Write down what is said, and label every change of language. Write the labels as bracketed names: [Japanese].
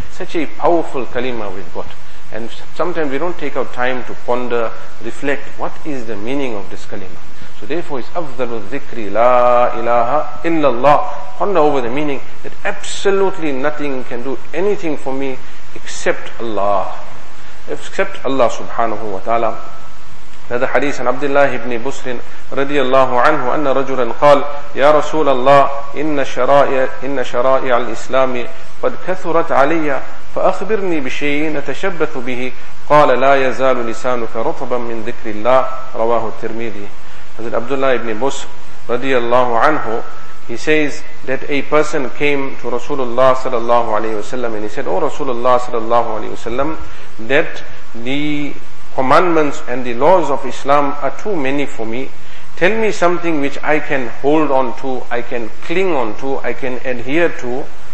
[English] Such a powerful kalima we've got. And sometimes we don't take out time to ponder, reflect, what is the meaning of this kalima. So therefore it's [Arabic] afdalu dhikri la ilaha illallah. [English] Ponder over the meaning that absolutely nothing can do anything for me except Allah. Except Allah subhanahu wa ta'ala. [Arabic] هذا حديث عن عبد الله بن بسر رضي الله عنه أن رجلا قال يا رسول الله إن شرائع الإسلام قد كثرت علي فأخبرني بشيء أتشبث به قال لا يزال لسانك رطبا من ذكر الله رواه الترمذي. هذا عبد الله بن بسر رضي الله عنه. [English] He says that a person came to Rasulullah sallallahu alaihi wasallam and he said, oh Rasulullah sallallahu alaihi wasallam, that the commandments and the laws of Islam are too many for me. Tell me something which I can hold on to, I can cling on to, I can adhere to.